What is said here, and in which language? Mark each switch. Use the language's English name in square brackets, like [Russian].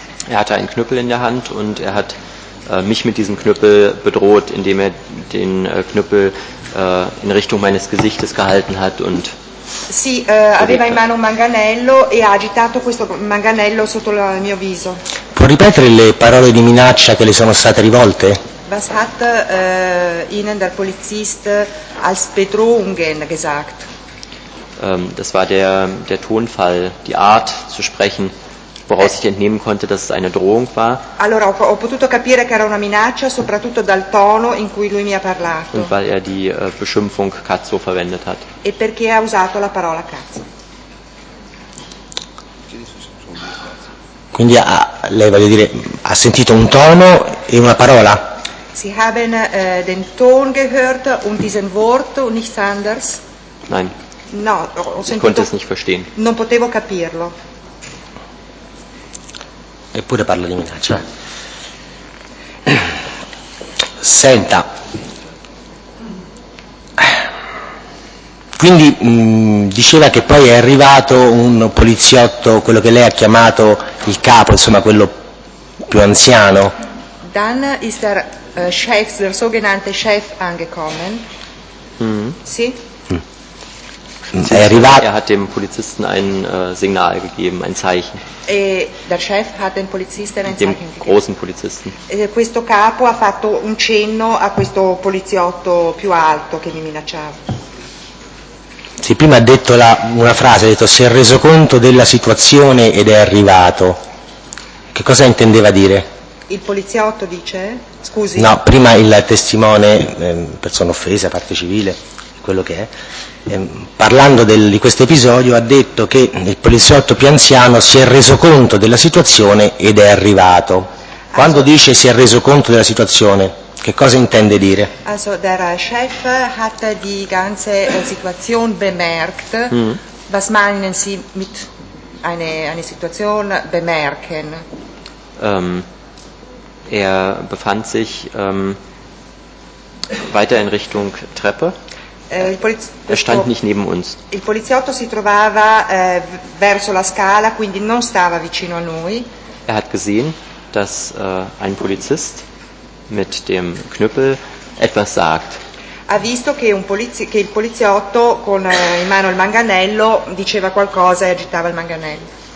[German] Er hatte einen Knüppel in der Hand und er hat mich mit diesem Knüppel bedroht, indem er den Knüppel in Richtung meines Gesichtes gehalten hat und [Italian] Sì, aveva in mano un manganello e ha agitato questo manganello sotto il mio viso. Può ripetere le parole di minaccia che le sono state rivolte? [German] Was hat Ihnen der Polizist als Bedrohungen gesagt? Das war der Tonfall, die Art zu sprechen. Woraus ich entnehmen konnte, dass es eine Drohung war. [Italian] Allora ho potuto capire che era una minaccia soprattutto dal tono in cui lui mi ha parlato. [German] Und weil er die Beschimpfung Cazzo verwendet hat. [Italian] E perché ha usato la parola cazzo. Quindi lei voglio dire ha sentito un tono e una parola. [German] Sie haben den Ton gehört und diesen Wort und nichts anderes? Nein. [Italian] No, [German] ich konnte es nicht verstehen. [Italian] Non potevo capirlo. Eppure parla di minaccia. Senta, quindi diceva che poi è arrivato un poliziotto, quello che lei ha chiamato il capo, insomma quello più anziano. [German] Dann ist der Chef, der sogenannte Chef angekommen. [Italian] Sì. Sie er arrivato. [German] Hat dem Polizisten ein Signal gegeben, ein Zeichen. E der Chef hat den Polizisten ein dem Zeichen gegeben. Großen Polizisten. [Italian] Questo capo ha fatto un cenno a questo poliziotto più alto che mi minacciava. Sì, prima ha detto una frase, ha detto si è reso conto della situazione ed è arrivato. Che cosa intendeva dire? Il poliziotto dice? Scusi. No, prima il testimone, persona offesa, parte civile. Quello che è, parlando di questo episodio, ha detto che il poliziotto più anziano si è reso conto della situazione ed è arrivato. Quando also, dice si è reso conto della situazione, che cosa intende dire? [German] Also, der Chef hat die ganze Situation bemerkt. Was meinen Sie mit eine Situation bemerken? Er befand sich weiter in Richtung Treppe. Er stand nicht neben uns. [Italian] Il poliziotto si trovava verso la scala, quindi non stava vicino a noi. [German] Er hat gesehen, dass ein Polizist mit dem Knüppel etwas sagt. [Italian] Ha visto che il poliziotto con in mano il manganello diceva qualcosa e agitava il manganello.